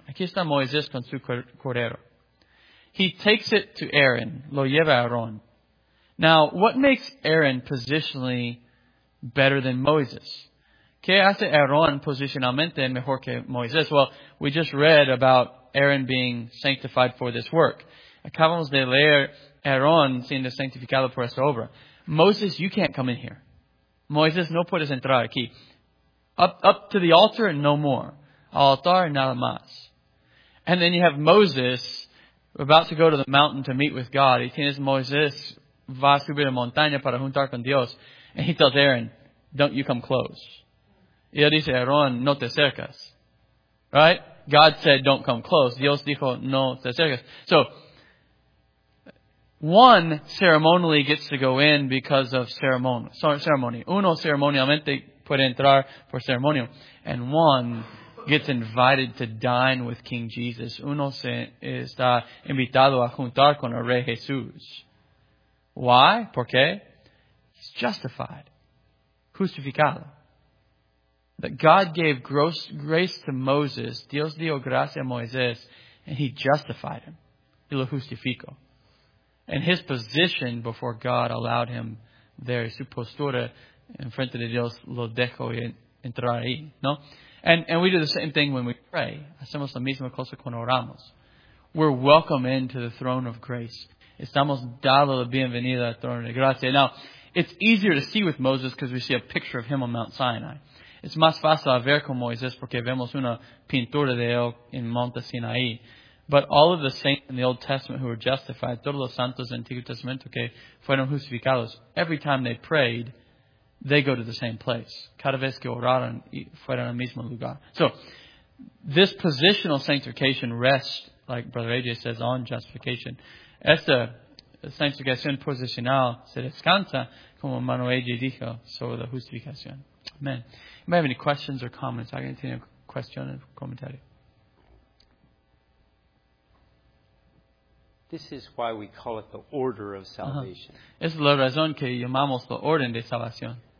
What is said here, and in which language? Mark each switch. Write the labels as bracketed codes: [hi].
[es] Aquí está Moisés con su cordero. [en] He takes it to Aaron. [es] Lo lleva a Aaron. [en] Now, what makes Aaron positionally better than Moses? [es] ¿Qué hace Aaron posicionalmente mejor que Moisés? [en] Well, we just read about Aaron being sanctified for this work. [es] Acabamos de leer Aaron siendo sanctificado por esta obra. [en] Moses, you can't come in here. [es] Moisés, no puedes entrar aquí. [en] Up to the altar and no more. Altar, [es] nada más. [en] And then you have Moses about to go to the mountain to meet with God. [es] Y tienes Moisés va a subir a montaña para juntar con Dios. [en] And he tells Aaron, don't you come close. [es] Y él dice, Aaron, no te acercas. [en] Right? God said, don't come close. [es] Dios dijo, no te acercas. [en] So, one ceremonially gets to go in because of ceremony. [es] Uno ceremonialmente puede entrar por ceremonio. [en] And one gets invited to dine with King Jesus. [es] Uno se está invitado a juntar con el Rey Jesús. Why? ¿Por qué? [en] He's justified. [es] Justificado. [en] That God gave grace to Moses. [es] Dios dio gracia a Moisés. [en] And he justified him. [es] Y lo justificó. [en] And his position before God allowed him there. [es] Su postura en frente de Dios lo dejó entrar ahí. ¿No? [en] And we do the same thing when we pray. Hacemos la misma cosa cuando oramos. We're welcome into the throne of grace. [es] Estamos dado la bienvenida al trono de gracia. [en] Now, it's easier to see with Moses because we see a picture of him on Mount Sinai. It's [es] más fácil ver con Moisés porque vemos una pintura de él en Monte Sinaí. [en] But all of the saints in the Old Testament who were justified, [es] todos los santos del Antiguo Testamento que fueron justificados, [en] every time they prayed, they go to the same place. [es] Cada vez que oraron, fueron al mismo lugar. [en] So, this positional sanctification rests, like Brother AJ says, on justification. [es] Esta sanctificación posicional se descansa, como Manuel AJ dijo, sobre la justificación. [en] Amen. You might have any questions or comments. [es] ¿Alguien tiene question or comentario? [en] This is why we call it the order of salvation. [es] Es la razón que llamamos la orden de salvación.